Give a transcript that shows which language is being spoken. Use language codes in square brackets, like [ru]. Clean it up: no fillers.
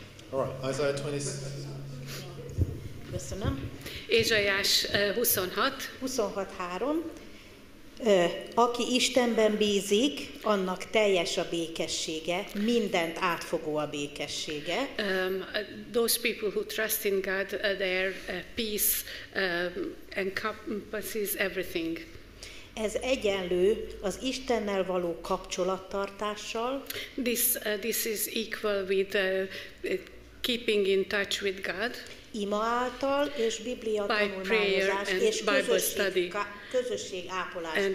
[en] Alright, [hu] köszönöm. Ézsaiás 26. 26:3. Aki Istenben bízik, annak teljes a békessége, mindent átfogó a békessége. [en] Those people who trust in God, their peace encompasses everything. [hu] Ez egyenlő az Istennel való kapcsolattartással. [en] This is equal with keeping in touch with God. [hu] Ima által és Biblia tanulmányozás és közösség ápolás által.